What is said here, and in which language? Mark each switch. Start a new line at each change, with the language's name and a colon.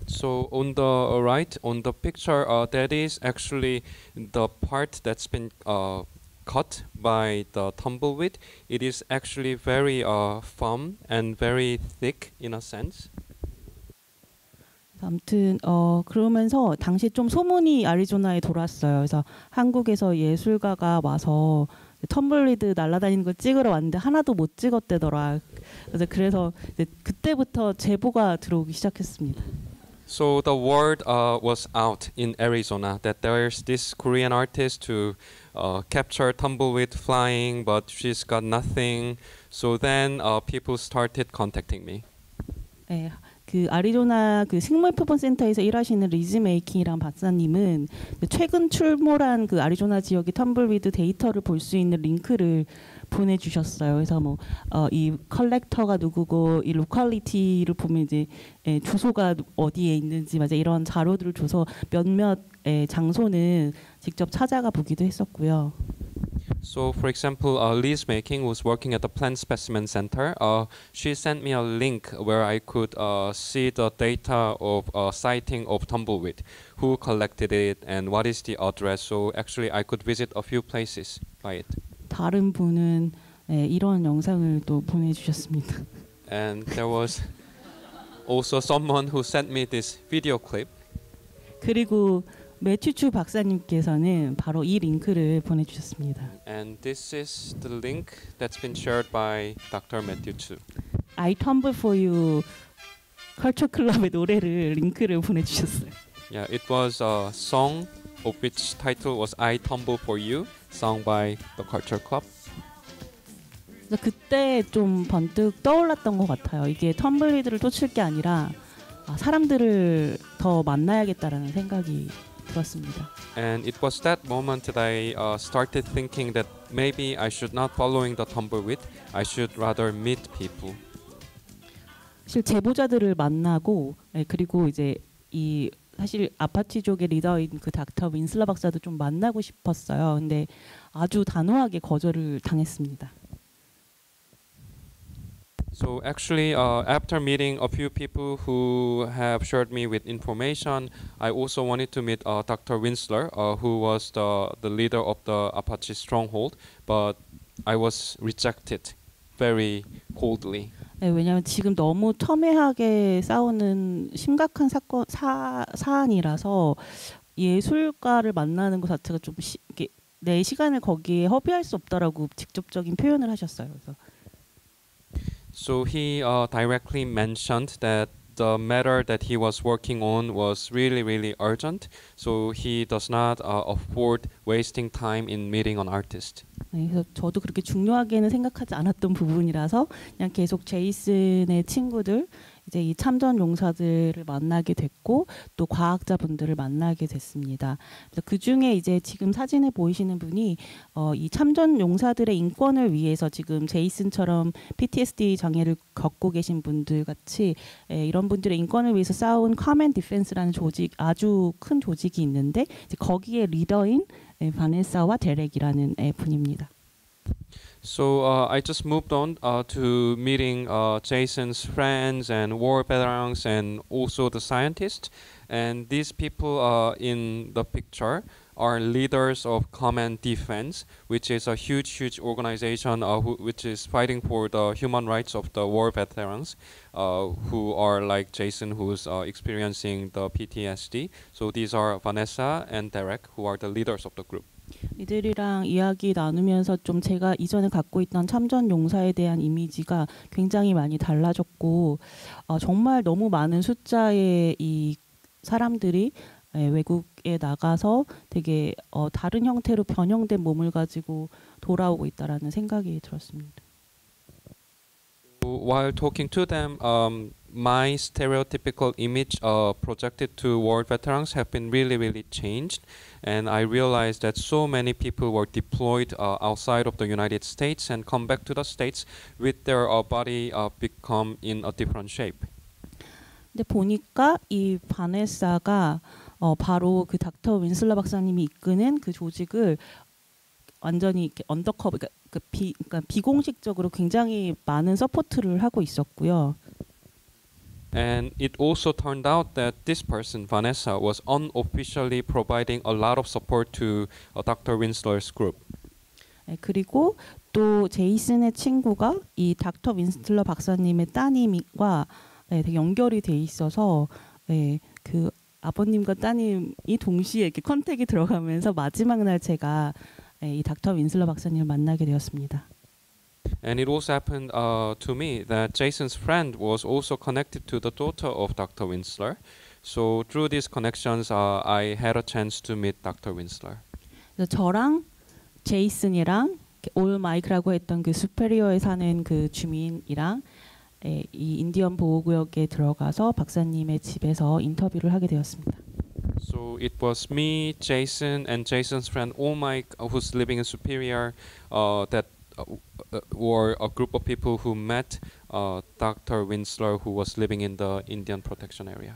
English: So on the right, on the picture, that is actually the part that's been cut by the tumbleweed. It is actually very firm and very thick in a sense.
Korean: 아무튼 그러면서 당시 좀 소문이 애리조나에 돌았어요. 그래서 한국에서 예술가가 와서 텀블리드 날아다니는 걸 찍으러 왔는데 하나도 못 찍었대더라. 그래서 이제 그때부터 제보가 들어오기 시작했습니다.
English: So the word was out in Arizona that there's this Korean artist to capture tumbleweed flying, but she's got nothing. So then people started contacting me.
Korean: 네. 그 아리조나 그 식물표본 센터에서 일하시는 리즈 메이킹이랑 박사님은 최근 출몰한 그 아리조나 지역의 텀블위드 데이터를 볼 수 있는 링크를 보내주셨어요. 그래서 뭐 이 컬렉터가 누구고 이 로컬리티를 보면 이제 예, 주소가 어디에 있는지 맞아 이런 자료들을 줘서 몇몇 예, 장소는 직접 찾아가 보기도 했었고요.
English: So, for example, Liz Making was working at the Plant Specimen Center. She sent me a link where I could see the data of sighting of tumbleweed, who collected it, and what is the address. So, actually, I could visit a few places by it.
Korean: 다른 분은 네, 이런 영상을 또 보내주셨습니다.
English: And there was also someone who sent me this video clip.
Korean: 그리고 매튜추 박사님께서는 바로 이 링크를 보내주셨습니다.
English: And this is the link that's been shared by Dr. Matthew Chu.
Korean: I Tumble For You Culture Club의 노래를 링크를 보내주셨어요.
English: Yeah, it was a song of which title was I Tumble For You, sung by the Culture Club.
Korean: 그때 좀 번뜩 떠올랐던 것 같아요. 이게 텀블리드를 쫓을 게 아니라 사람들을 더 만나야겠다라는 생각이 들었습니다.
English: And it was that moment that I started thinking that maybe I should not following the tumbleweed. I should rather meet people.
Korean: 사실 제보자들을 만나고 예, 그리고 이제 이 사실 아파치족의 리더인 그 닥터 윈슬러 박사도 좀 만나고 싶었어요. 근데 아주 단호하게 거절을 당했습니다.
English: So actually, after meeting a few people who have shared me with information, I also wanted to meet Dr. Winsler, who was the leader of the Apache stronghold, but I was rejected very coldly.
Korean: 네, 왜냐하면 지금 너무 첨예하게 싸우는 심각한 사건 사안이라서 예술가를 만나는 것 자체가 좀 내 시간을 거기에 허비할 수 없다라고 직접적인 표현을 하셨어요. 그래서.
English: So he directly mentioned that the matter that he was working on was really, really urgent. So he does not afford wasting time in meeting an artist.
Korean: 그래서 저도 그렇게 중요하게는 생각하지 않았던 부분이라서 그냥 계속 제이슨의 친구들 이제 이 참전 용사들을 만나게 됐고 또 과학자분들을 만나게 됐습니다. 그 중에 이제 지금 사진에 보이시는 분이 이 참전 용사들의 인권을 위해서 지금 제이슨처럼 PTSD 장애를 겪고 계신 분들 같이 예, 이런 분들의 인권을 위해서 싸운 Common Defense라는 조직 아주 큰 조직이 있는데 이제 거기에 리더인 예, 바네사와 데렉이라는 예, 분입니다.
English: So I just moved on to meeting Jason's friends and war veterans and also the scientists. And these people in the picture are leaders of Common Defense, which is a huge, huge organization which is fighting for the human rights of the war veterans who are like Jason, who's experiencing the PTSD. So these are Vanessa and Derek, who are the leaders of the group.
Korean: 이들이랑 이야기 나누면서 좀 제가 이전에 갖고 있던 참전 용사에 대한 이미지가 굉장히 많이 달라졌고 정말 너무 많은 숫자의 이 사람들이 예, 외국에 나가서 되게 다른 형태로 변형된 몸을 가지고 돌아오고 있다라는 생각이 들었습니다.
English: While talking to them, my stereotypical image projected to war veterans have been really, really changed. And I realized that so many people were deployed outside of the United States and come back to the States with their body become in a different shape.
Korean: 근데 보니까 이 바네사가 바로 그 닥터 윈슬러 박사님이 이끄는 그 조직을 완전히 이렇게 언더커버, 그러니까 비공식적으로 굉장히 많은 서포트를 하고 있었고요.
English: And it also turned out that this person, Vanessa, was unofficially providing a lot of support to Dr. Winsler's group.
Korean: 네, 그리고 또 제이슨의 친구가 이 닥터 윈슬러 박사님의 따님과 네, 되게 연결이 돼 있어서 네, 그 아버님과 따님이 동시에 이렇게 컨택이 들어가면서 마지막 날 제가 네, 이 닥터 윈슬러 박사님을 만나게 되었습니다.
English: And it also happened to me that Jason's friend was also connected to the daughter of Dr. Winsler. So through these connections, I had a chance to meet Dr. Winsler.
Korean: 저랑 제이슨이랑 올 마이크라고 했던 그 슈페리어에 사는 그 주민이랑 예, 이 인디언 보호구역에 들어가서 박사님의 집에서 인터뷰를 하게 되었습니다.
English: So it was me, Jason, and Jason's friend Omike, who's living in Superior, that were a group of people who met Dr. Winslow, who was living in the Indian Protection Area.